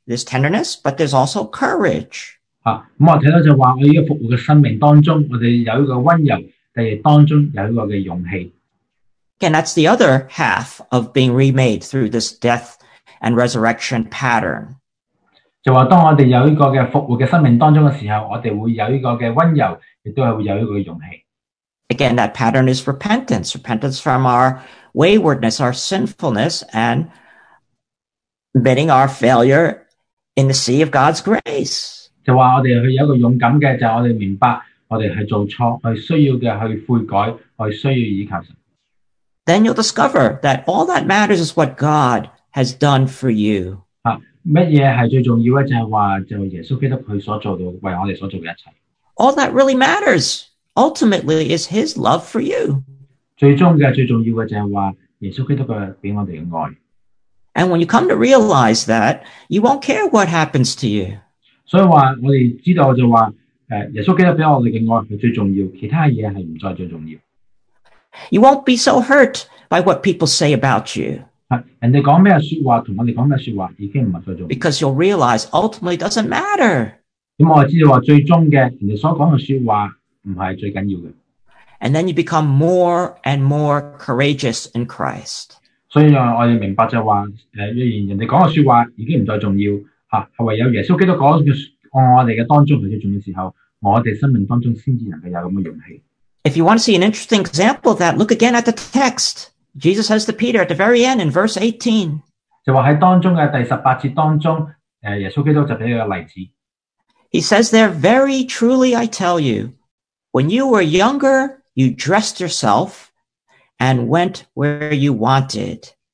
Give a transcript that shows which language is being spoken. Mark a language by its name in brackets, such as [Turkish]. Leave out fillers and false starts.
[English] There's tenderness, but there's also courage. [Cantonese] 我睇到就话喺呢个复活嘅生命当中，我哋有一个温柔，但系当中有一个嘅勇气。 [English] And that's the other half of being remade through this death and resurrection pattern. [Cantonese] 就话当我哋有一个嘅复活嘅生命当中嘅时候，我哋会有一个嘅温柔，亦都系会有一个勇气。 [English] Again, that pattern is repentance. Repentance from our waywardness, our sinfulness, and admitting our failure in the sea of God's grace. [Cantonese] 就话我哋去有一个勇敢嘅，就我哋明白我哋去做错，我需要嘅去悔改，我需要依靠神。 [English] Then you'll discover that all that matters is what God has done for you. [Cantonese] 乜嘢系最重要咧？就系话就耶稣基督佢所做到为我哋所做嘅一切。 [English] All that really matters ultimately is His love for you. [Cantonese] 最终嘅最重要嘅就系话耶稣基督嘅俾我哋嘅爱。 [English] And when you come to realize that, you won't care what happens to you. [Cantonese] 所以话我哋知道就话耶稣基督俾我哋嘅爱系最重要，其他嘢系唔再最重要。 [English] You won't be so hurt by what people say about you. [Cantonese] 人哋讲咩说话同我哋讲咩说话已经唔系最重要。 [English] Because you'll realize ultimately it doesn't matter. [Cantonese] 咁我知道话最终嘅人哋所讲嘅说话唔系最紧要嘅。 [English] And then you become more and more courageous in Christ. [Cantonese] 所以我哋明白就话，若然人哋讲嘅说话已经唔再重要，系唯有耶稣基督讲嘅我哋嘅当中系最重要时候，我哋生命当中先至能够有咁嘅勇气。 [English] If you want to see an interesting example of that, look again at the text. Jesus says to Peter at the very end in verse 18. [Cantonese] 就话喺当中嘅第十八节当中，耶稣基督就俾一个例子。 [English] He says there, very truly I tell you, when you were younger, you dressed yourself and went where you wanted.